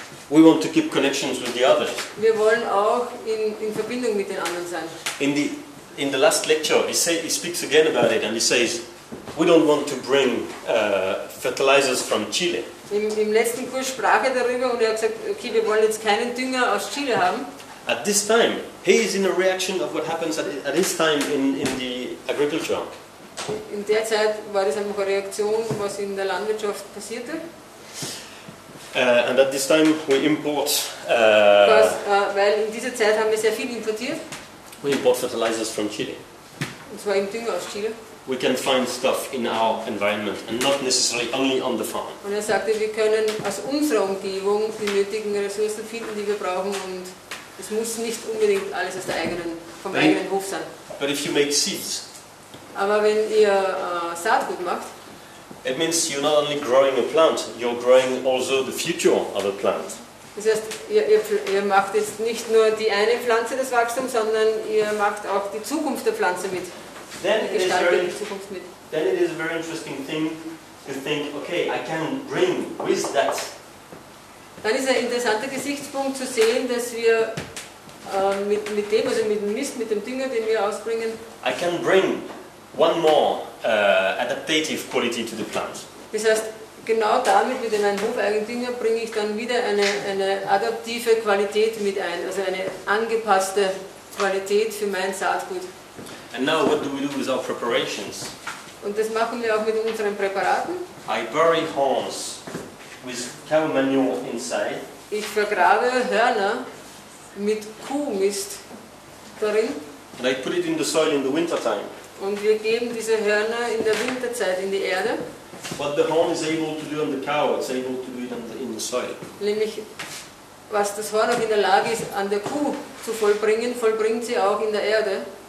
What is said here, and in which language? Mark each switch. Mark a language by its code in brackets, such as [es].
[en] We want to keep connections with the others. [de] Wir wollen auch in Verbindung mit den anderen sein. [en] In the last lecture, he speaks again about it, and he says, we don't want to bring fertilizers from Chile. [de] Im letzten Kurs sprach er darüber und er hat gesagt, okay, wir wollen jetzt keinen Dünger aus Chile haben. [en] At this time, he is in a reaction of what happens at his time in the agriculture. [de] In der Zeit war das einfach eine Reaktion, was in der Landwirtschaft passierte. [en] And at this time, we import. [de] Weil in dieser Zeit haben wir sehr viel importiert. [en] We import fertilizers from Chile. [de] Und zwar im Dünger aus Chile. [en] We can find stuff in our environment and not necessarily only on the farm. [de] Und er sagte, wir können aus unserer Umgebung die nötigen Ressourcen finden, die wir brauchen und es muss nicht unbedingt alles aus der eigenen, vom but eigenen Hof sein. [en] But if you make seeds, [de] aber wenn ihr Saatgut macht, [en] it means you're not only growing a plant, you're growing also the future of a plant. [de] Das heißt, ihr macht jetzt nicht nur die eine Pflanze des Wachstums, sondern ihr macht auch die Zukunft der Pflanze mit. [en] Then it is a very interesting thing to think, okay, I can bring with that. [de] Dann ist ein interessanter Gesichtspunkt zu sehen, dass wir mit dem, also mit dem Mist, mit dem Dünger, den wir ausbringen, [en] I can bring one more adaptative quality to the plant. [de] Das heißt, genau damit, mit einem hofeigenen Dünger, bringe ich dann wieder eine adaptive Qualität mit ein, also eine angepasste Qualität für mein Saatgut. [en] And now what do we do with our preparations? [de] Und das machen wir auch mit unseren Präparaten. [en] I bury horns with cow manure inside. [de] Ich vergrabe Hörner mit Kuhmist darin. [en] And I put it in the soil in the winter time. [de] Und wir geben diese Hörner in der Winterzeit in die Erde. [en] What the horn is able to do on the cow, it's able to do it in the soil. [de] Nämlich, was das Horn auch in der Lage ist, an der Kuh zu vollbringen, vollbringt sie auch in der Erde.